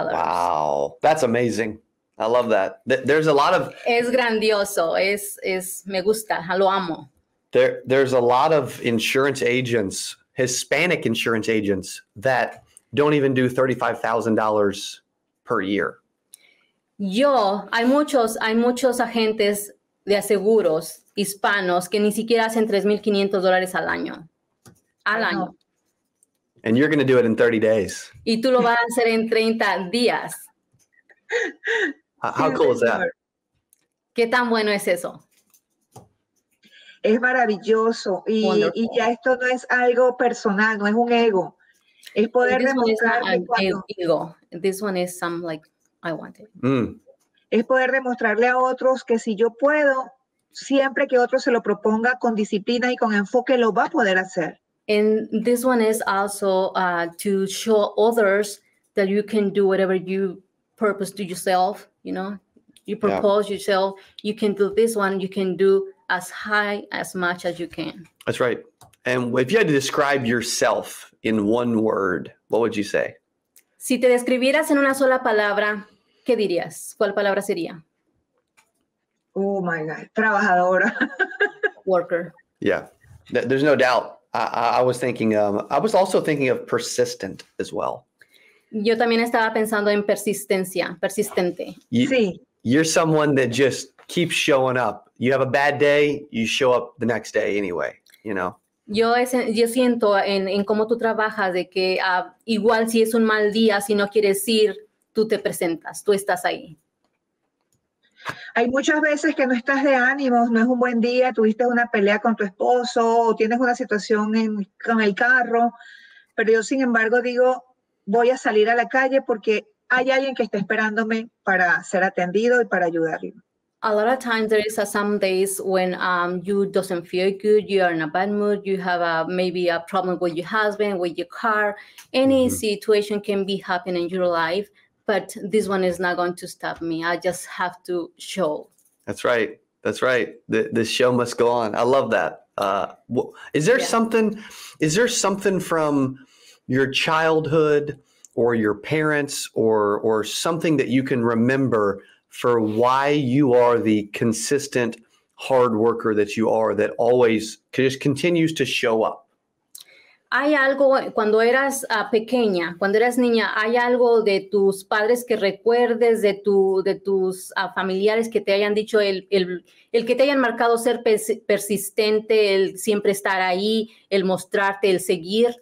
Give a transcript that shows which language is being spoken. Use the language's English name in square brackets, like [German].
[English] Wow. That's amazing. I love that. There's a lot of... [Spanish] Es grandioso. Es me gusta. Lo amo. [English] There's a lot of insurance agents, Hispanic insurance agents, that don't even do $35,000 per year. [Spanish] Yo, hay muchos agentes de aseguros hispanos que ni siquiera hacen $3,500 al año. Al año. [English] And you're going to do it in 30 days. [Spanish] Y tú lo vas a hacer en 30 días. [English] How cool is that? [Spanish] ¿Qué tan bueno es eso? Es maravilloso. Y ya esto no es algo personal, no es un ego. Es poder demostrarle cuando... [English] This one is some like, I want it. Mm. [Spanish] Es poder demostrarle a otros que si yo puedo, siempre que otro se lo proponga con disciplina y con enfoque, lo va a poder hacer. [English] And this one is also to show others that you can do whatever you purpose to yourself, you propose yeah. yourself, you can do this one, you can do as high, as much as you can. That's right. And if you had to describe yourself in one word, what would you say? [Spanish] Si te describieras en una sola palabra, ¿qué dirías? ¿Cuál palabra sería? [English] Oh, my God. [Spanish] Trabajadora. [English] Worker. Yeah. There's no doubt. I was thinking, I was also thinking of persistent as well. [Spanish] Yo también estaba pensando en persistencia, persistente. Sí. [English] You're someone that just keeps showing up. You have a bad day, you show up the next day anyway, [Spanish] Yo siento en cómo tú trabajas de que igual si es un mal día, si no quieres ir, tú te presentas, tú estás ahí. Hay muchas veces que no estás de ánimos, no es un buen día, tuviste una pelea con tu esposo o tienes una situación con el carro, pero yo sin embargo digo, voy a salir a la calle porque hay alguien que está esperándome para ser atendido y para ayudarlo. [English] A lot of times there is some days when you doesn't feel good, you are in a bad mood, you have maybe a problem with your husband, with your car, any situation can be happening in your life, but this one is not going to stop me. I just have to show. That's right. That's right. The show must go on. I love that. Is there something from your childhood or your parents or something that you can remember for why you are the consistent hard worker that you are, that always just continues to show up? [Spanish] Hay algo cuando eras pequeña, cuando eras niña, hay algo de tus padres que recuerdes, de tus familiares que te hayan dicho el que te hayan marcado ser persistente, el siempre estar ahí, el mostrarte, el seguir.